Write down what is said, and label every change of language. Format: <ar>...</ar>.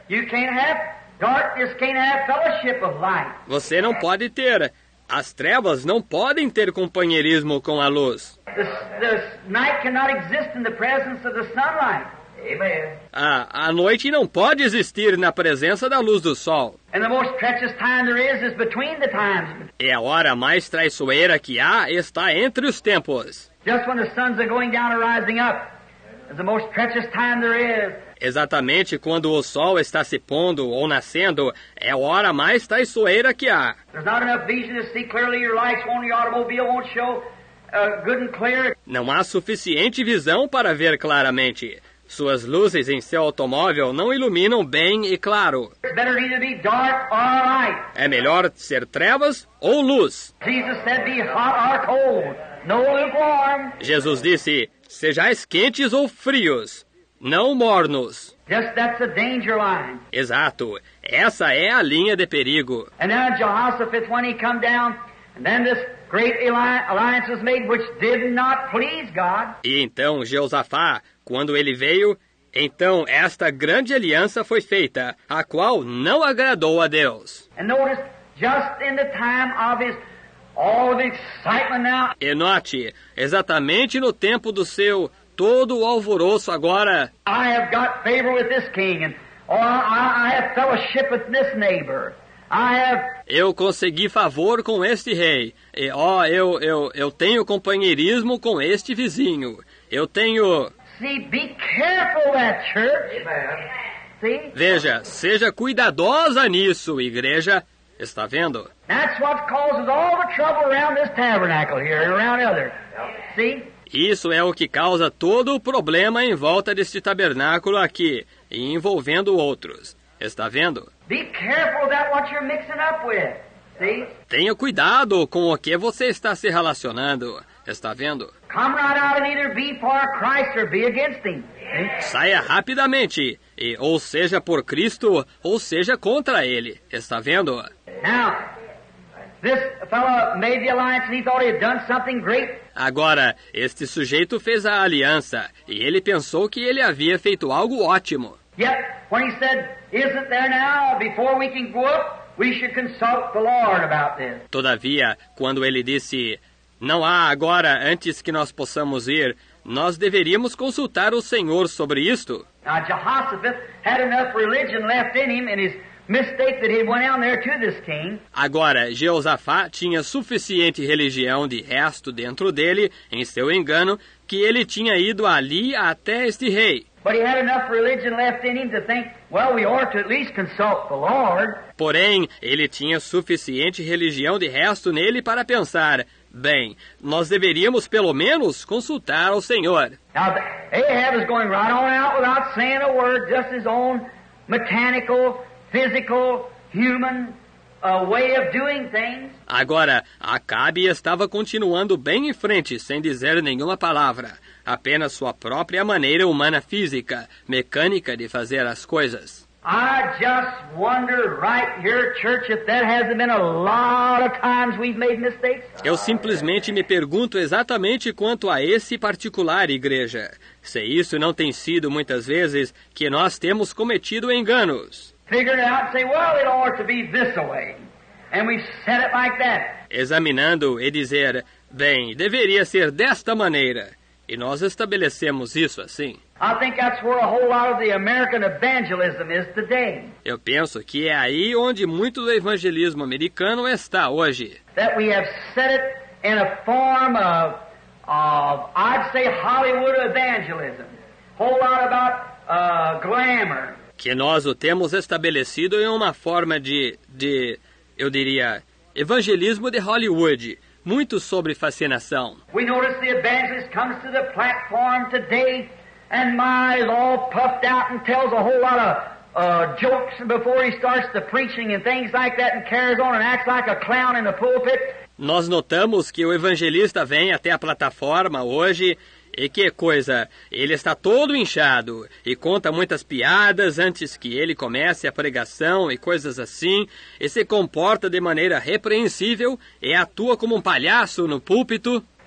<en>You can't have darkness, can't have fellowship of light.</en> <pt>Você não pode ter. As trevas não podem ter companheirismo com a luz.</pt> <en>The night cannot exist in the presence of the sunlight. Amen.</en> <pt>A noite não pode existir na presença da luz do sol.</pt> <en>And the most treacherous time there is between the times.</en> <pt>E a hora mais traiçoeira que há está entre os tempos.</pt> <en>Just when the suns are going down and rising up. It's the most treacherous time there is.</en> <pt>Exatamente quando o sol está se pondo ou nascendo, é a hora mais traiçoeira que há.</pt> <en>There's not enough vision to see clearly, your lights on your automobile won't show good and clear.</en> <pt>Não há suficiente visão para ver claramente. Suas luzes em seu automóvel não iluminam bem e claro.</pt> <en>It's better either be dark or light.</en> <pt>É melhor ser trevas ou luz.</pt> <en>Jesus said be hot or cold, no lukewarm.</en> <pt>Jesus disse, sejais quentes ou frios, não mornos.</pt> <en>Yes, that's a danger line.</en> <pt>Exato. Essa é a linha de perigo.</pt> <en>And then Jehoshaphat, when he come down, and then this great alliance was made, which did not please God.</en> <pt>E então Jeosafá, quando ele veio, então esta grande aliança foi feita, a qual não agradou a Deus.</pt> <en>And notice, just in the time of his all the excitement now.</en> <pt>E note, exatamente no tempo do seu todo o alvoroço agora.</pt> <en>I have got favor with this king, and I have fellowship with this neighbor.</en> <pt>Eu consegui favor com este rei. E ó, eu tenho companheirismo com este vizinho. Eu tenho...</pt> <en>See, be careful that church. Amen. See?</en> <pt>Veja, seja cuidadosa nisso, igreja. Está vendo?</pt> <en>That's what causes all the trouble around this tabernacle here and around others. See?</en> <pt>Isso é o que causa todo o problema em volta deste tabernáculo aqui e envolvendo outros. Está vendo?</pt> <en>Be careful about what you're mixing up with. See?</en> <pt>Tenha cuidado com o que você está se relacionando. Está vendo?</pt> <en>Come right out and either be for Christ or be against him.</en> <pt>Saia rapidamente, e ou seja por Cristo, ou seja contra ele. Está vendo?</pt> <en>Now, this fellow made the alliance and he thought he had done something great.</en> <pt>Agora, este sujeito fez a aliança, e ele pensou que ele havia feito algo ótimo.</pt> <en>Yet, when he said, isn't there now, before we can go up, we should consult the Lord about this.</en> <pt>Todavia, quando ele disse, não há agora, antes que nós possamos ir, nós deveríamos consultar o Senhor sobre isto.</pt> <en>Now, Jehoshaphat had enough religion left in him and his mistake that he went down there to this king.</en> <pt>Agora, Jeosafá tinha suficiente religião de resto dentro dele, em seu engano, que ele tinha ido ali até este rei.</pt> <en>But he had enough religion left in him to think, well, we ought to at least consult the Lord.</en> <pt>Porém, ele tinha suficiente religião de resto nele para pensar, bem, nós deveríamos pelo menos consultar ao Senhor.</pt> <en>Now, Ahab is going right on out without saying a word, just his own mechanical, physical, human way of doing things.</en> <pt>Agora, Acabe estava continuando bem em frente, sem dizer nenhuma palavra. Apenas sua própria maneira humana física, mecânica de fazer as coisas.</pt> <en>I just wonder right here, church, if that hasn't been a lot of times we've made mistakes.</en> <pt>Eu simplesmente me pergunto exatamente quanto a esse particular, igreja. Se isso não tem sido muitas vezes que nós temos cometido enganos.</pt> <en>Figure it out and say, well, it ought to be this way. And we set it like that.</en> <pt>Examinando e dizer, bem, deveria ser desta maneira. E nós estabelecemos isso assim.</pt> <en>I think that's where a whole lot of the American evangelism is today.</en> <pt>Eu penso que é aí onde muito do evangelismo americano está hoje.</pt> <en>That we have set it in a form of I'd say Hollywood evangelism. Whole lot about glamour.</en> <pt>Que nós o temos estabelecido em uma forma de eu diria evangelismo de Hollywood. Muito sobre fascinação.</pt> <en>We notice the evangelist comes to the platform today and my is all puffed out and tells a whole lot of jokes before he starts the preaching and things like that and carries on and acts like a clown in the pulpit.</en> <pt>Nós notamos que o evangelista vem até a plataforma hoje e que coisa, ele está todo inchado e conta muitas piadas antes que ele comece a pregação e coisas assim, e se comporta de maneira repreensível e atua como um palhaço no púlpito.</pt>